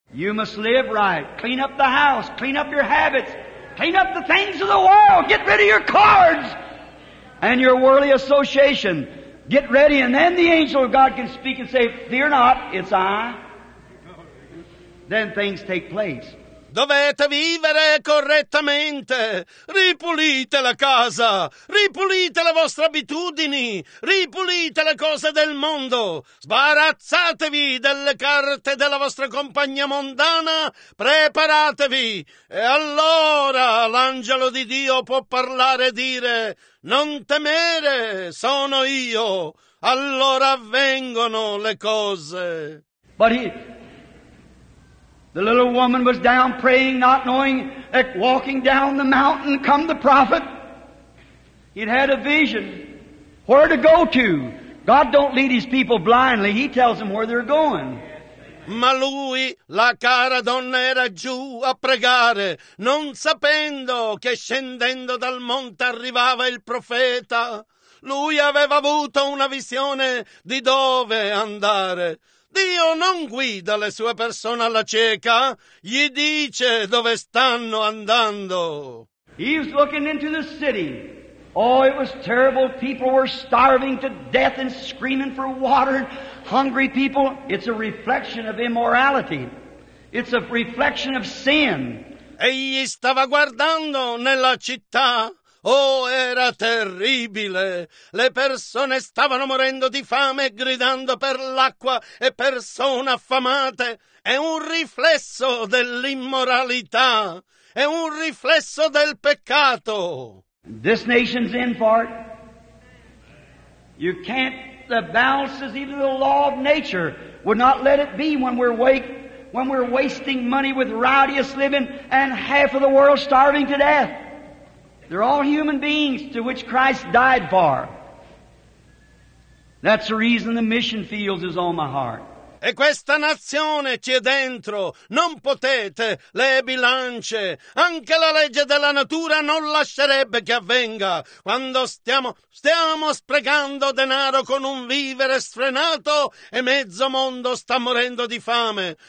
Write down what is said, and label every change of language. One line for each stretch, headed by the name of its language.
English: You must live right. Clean up the house. Clean up your habits. Clean up the things of the world. Get rid of your cards and your worldly association. Get ready, and then the angel of God can speak and say, "Fear not, it's I." Then things take place.
Italian: Dovete vivere correttamente. Ripulite la casa. Ripulite le vostre abitudini. Ripulite le cose del mondo. Sbarazzatevi delle carte della vostra compagnia mondana. Preparatevi. E allora l'angelo di Dio può parlare e dire: "Non temere, sono io." Allora avvengono le cose.
English: The little woman was down praying, not knowing, walking down the mountain, come the prophet. He'd had a vision. Where to go to? God don't lead His people blindly. He tells them where they're going.
Italian: Ma lui, la cara donna, era giù a pregare, non sapendo che scendendo dal monte arrivava il profeta. Lui aveva avuto una visione di dove andare. Dio non guida le sue persone alla cieca, gli dice dove stanno andando.
English: He was looking into the city. Oh, it was terrible. People were starving to death and screaming for water. Hungry people, it's a reflection of immorality. It's a reflection of sin.
Italian: Egli stava guardando nella città. Oh, era terribile. Le persone stavano morendo di fame e gridando per l'acqua e persone affamate. È un riflesso dell'immoralità. È un riflesso del peccato.
English: This nation's in for it. You can't, the balances, even the law of nature would not let it be when we're wasting money with rowdiest living and half of the world starving to death. They're all human beings to which Christ died for. That's the reason the mission fields is on my heart.
Italian: E questa nazione ci è dentro, non potete, le bilance, anche la legge della natura non lascerebbe che avvenga. Quando stiamo sprecando denaro con un vivere sfrenato e mezzo mondo sta morendo di fame.